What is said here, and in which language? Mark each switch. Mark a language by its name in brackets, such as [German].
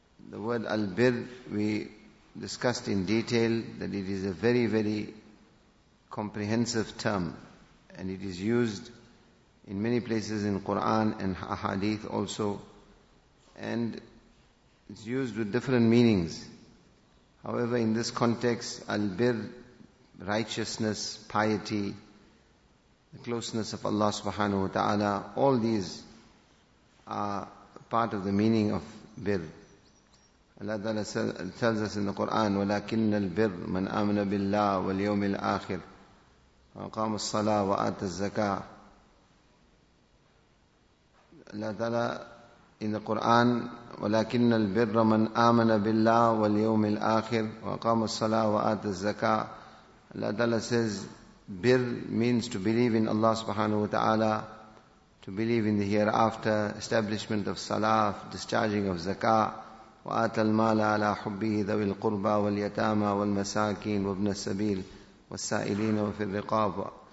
[English] The word Al-Bir, we discussed in detail that it is a very, very comprehensive term, and it is used in many places in Quran and Ahadith also, and it's used with different meanings. However, in this context, Al-Bir, righteousness, piety, the closeness of Allah subhanahu wa ta'ala, all these are part of the meaning of Bir. Allah Ta'ala tells us in the Quran, [Arabic] وَلَكِنَّ الْبِرْ مَنْ آمَنَ بِاللَّهِ وَالْيَوْمِ الْآخِرِ وَأَقَامَ الصَّلَاةِ وَآتَ الزَّكَاةِ. [English] Allah Ta'ala in the Quran, [Arabic] وَلَكِنَّ الْبِرَّ مَنْ آمَنَ بِاللَّهِ وَالْيَوْمِ الْآخِرِ وَأَقَامَ الصَّلَاةِ وَآتَ الزَّكَاةِ. [English] Allah Ta'ala says, Bir means to believe in Allah subhanahu wa ta'ala, to believe in the hereafter, establishment of salah, discharging of zakah, [Arabic] وآت المال على حبه ذوي القربى واليتامى والمساكين وابن السبيل والسائلين وفي الرقاب.